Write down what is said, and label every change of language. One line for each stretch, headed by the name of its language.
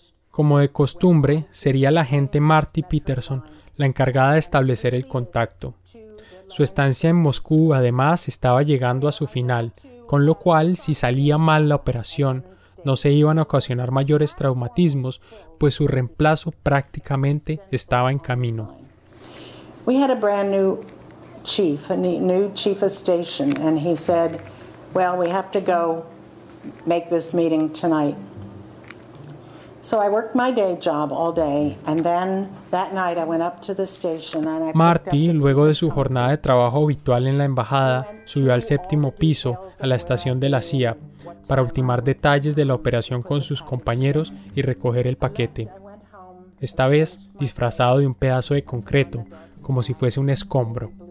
Spanish: Como de costumbre, sería la agente Marty Peterson la encargada de establecer el contacto. Su estancia en Moscú, además, estaba llegando a su final, con lo cual, si salía mal la operación, no se iban a ocasionar mayores traumatismos, pues su reemplazo prácticamente estaba en camino.
English: We had a brand new chief, a new chief of station, and he said, "Well, we have to go make this meeting tonight." So I worked my day job all day, and then that night I went up to the station and I.
Spanish: Marty, luego de su jornada de trabajo habitual en la embajada, subió al séptimo piso a la estación de la CIA para ultimar detalles de la operación con sus compañeros y recoger el paquete. esta vez disfrazado de un pedazo de concreto, como si fuese un escombro.